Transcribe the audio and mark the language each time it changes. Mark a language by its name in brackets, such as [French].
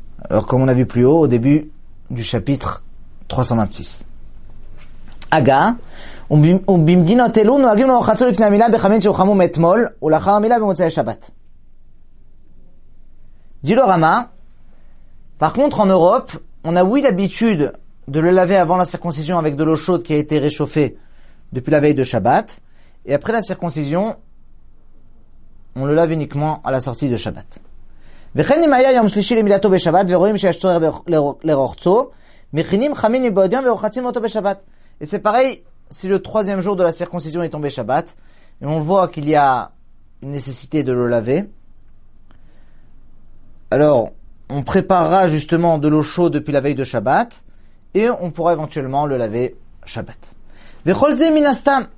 [French] Alors comme on a vu plus haut au début du chapitre 326. Aga, dit le Rama, Par contre, en Europe, on a, oui, l'habitude de le laver avant la circoncision avec de l'eau chaude qui a été réchauffée depuis la veille de Shabbat. Et après la circoncision, on le lave uniquement à la sortie de Shabbat. [Hebrew] וכן אם היה יום שלישי למילתו בשבת ורואים שיש צורך לרוחצו, מכינים חמין מבעודיון ורוחצים אותו בשבת. [French] Et c'est pareil si le troisième jour de la circoncision est tombé Shabbat, et on voit qu'il y a une nécessité de le laver. Alors, on préparera justement de l'eau chaude depuis la veille de Shabbat, et on pourra éventuellement le laver Shabbat. [Hebrew] וכל זה מן הסתם.